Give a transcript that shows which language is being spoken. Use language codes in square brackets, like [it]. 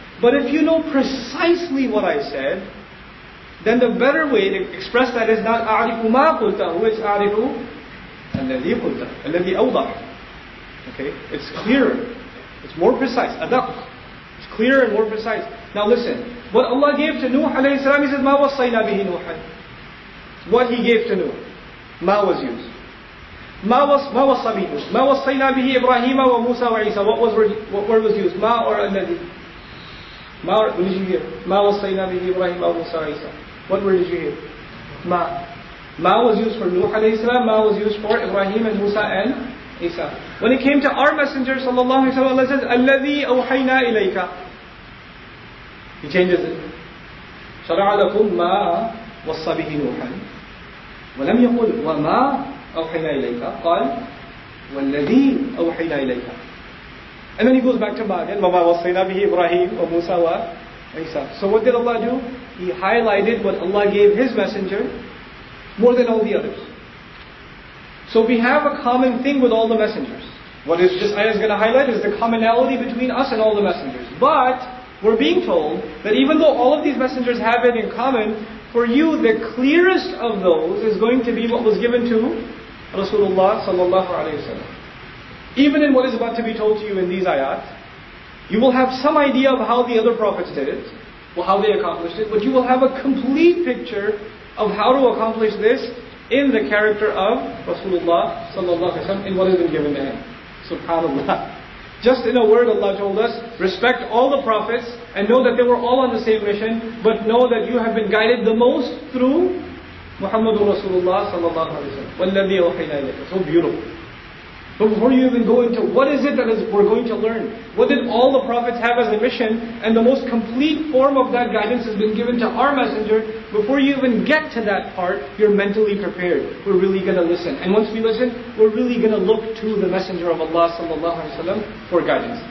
[en] But if you know precisely what I said, then the better way to express that is not [ar] أَعْرِفُ مَا قُلْتَهُ [en] It's [ar] أَعْرِفُ الَّذِي قُلْتَهُ الَّذِي أَوْضَحُ [en] Okay? It's clearer. It's more precise. أَدَقُ It's clearer and more precise. Now listen, what Allah gave to Nuh عليه السلام, He says [ar] مَا وَصَّيْنَا بِهِ نُوحًا [en] What He gave to Nuh. مَا was used. [ar] مَا وَصَّى بِهِ نُوحًا مَا وَصَّيْنَا بِهِ إِبْرَاهِيمَ وَمُوسَى وَعِيسَى [en] What word was used? مَا or الَّذِي What did you hear? [ar] مَا وَصَّيْنَا بِهِ إِبْرَاهِيمَ وَمُوسَىٰ وَعِيسَىٰ [en] What word did you hear? مَا مَا was used for Nuh عليه السلام, مَا was used for Ibrahim and Musa and Isa. When it came to our Messenger صلى الله عليه وسلم, Allah says, [ar] أَلَّذِي أَوْحَيْنَا إِلَيْكَ [en] He changes it. [ar] شَرَعَ لَكُمْ مَا وَصَّى بِهِ نُوحًا وَلَمْ يَقُلْ وَمَا أَوْحَيْنَا إِلَيْكَ قَالْ وَالَّذِي أَوْحَيْنَا إِلَيْكَ [en] And then he goes back to Ma'adin, [ar] وَمَا وَصَّيْنَا بِهِ إِبْرَاهِيمُ وَمُوسَىٰ وَعِيسَىٰ [en] So what did Allah do? He highlighted what Allah gave His Messenger more than all the others. So we have a common thing with all the messengers. What is this ayah is going to highlight is the commonality between us and all the messengers. But we're being told that even though all of these messengers have it in common, for you the clearest of those is going to be what was given to Rasulullah sallallahu alayhi wa sallam. Even in what is about to be told to you in these ayat, you will have some idea of how the other prophets did it, well, how they accomplished it, but you will have a complete picture of how to accomplish this in the character of Rasulullah sallallahu alaihi wasallam in what has been given to him. SubhanAllah. Just in a word, Allah told us, respect all the prophets and know that they were all on the same mission, but know that you have been guided the most through Muhammadur Rasulullah sallallahu alaihi wasallam. [ar] وَالَّذِي أَوْحَيْنَا إِلَيْكَ [en] So beautiful. But before you even go into what is it that is we're going to learn? What did all the prophets have as a mission? And the most complete form of that guidance has been given to our messenger. Before you even get to that part, you're mentally prepared. We're really going to listen. And once we listen, we're really going to look to the messenger of Allah sallallahu alaihi wasallam for guidance.